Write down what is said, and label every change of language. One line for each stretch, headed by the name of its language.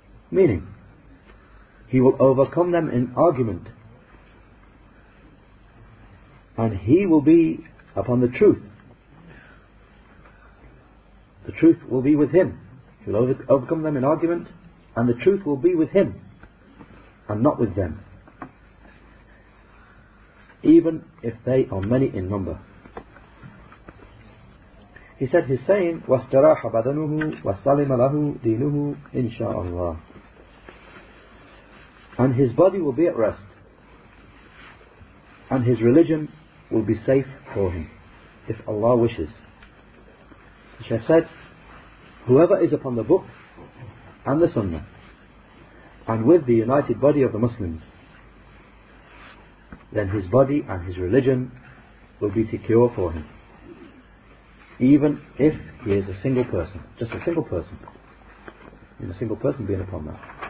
English: Meaning, he will overcome them in argument, and he will be upon the truth. The truth will be with him. He will overcome them in argument, and the truth will be with him, and not with them. even if they are many in number. He said, he's saying,
Arabic: وَاسْتَرَاحَ بَدَنُهُ وَسَلِمَ لَهُ دِينُهُ إِنْ شَاءَ اللَّهُ.
English: And his body will be at rest, and his religion will be safe for him, if Allah wishes. The Shaykh said, whoever is upon the book and the sunnah, and with the united body of the Muslims, then his body and his religion will be secure for him, even if he is a single person, just a single person, and a single person being upon that.